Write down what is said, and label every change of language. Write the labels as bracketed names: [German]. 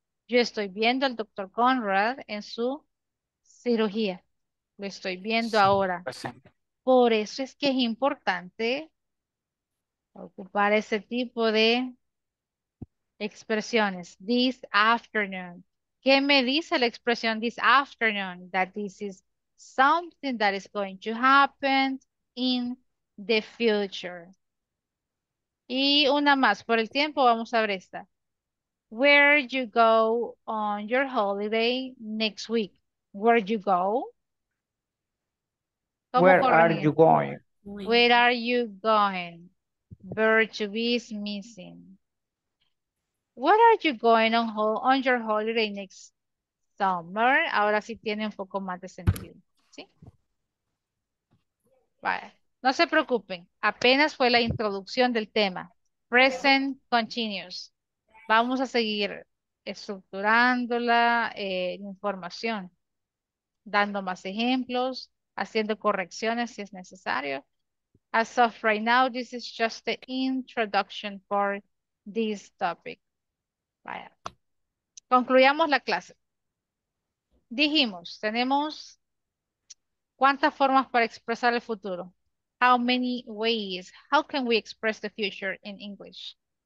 [Spanish] Yo estoy viendo al Dr. Conrad en su cirugía. Lo estoy viendo ahora. Por eso es que es importante ocupar ese tipo de expresiones. [English] This afternoon. [Spanish] ¿Qué me dice la expresión [English] this afternoon? That this is something that is going to happen in the future. [Spanish] Y una más, por el tiempo vamos a ver esta. [English] Where you go on your holiday next week? Where you go? Where are you going? Verb to be is missing. Where are you going on your holiday next summer? [Spanish] Ahora sí tiene un poco más de sentido. ¿Sí? Vale. No se preocupen, apenas fue la introducción del tema. Present continuous. Vamos a seguir estructurando la información, dando más ejemplos, haciendo correcciones si es necesario. [English] As of right now, this is just the introduction for this topic. [Spanish] Vaya. Concluyamos la clase. Dijimos, tenemos cuántas formas para expresar el futuro. [English] How many ways? How can we express the future in English?